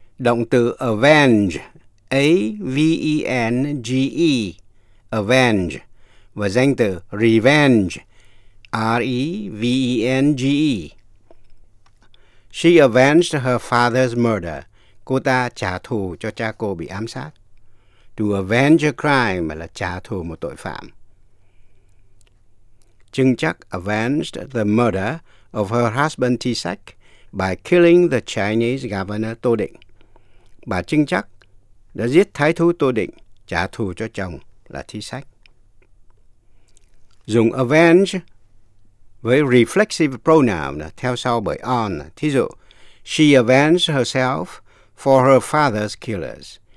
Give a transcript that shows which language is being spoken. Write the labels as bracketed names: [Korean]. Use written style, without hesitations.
[Vietnamese] Động từ avenge, A-V-E-N-G-E, avenge, và danh từ revenge, R-E-V-E-N-G-E. [English] She avenged her father's murder. [Vietnamese] Cô ta trả thù cho cha cô bị ám sát. [English] To avenge a crime [Vietnamese] là trả thù một tội phạm. [English] Chưng chắc avenged the murder of her husband T-Sack by killing the Chinese governor Tô Định. [Vietnamese] Bà Chưng chắc đã giết thái thú Tô Định, trả thù cho chồng là T-Sack. Dùng avenge với reflexive pronoun theo sau bởi on. Thí dụ, [English] she avenged herself for her father's killers.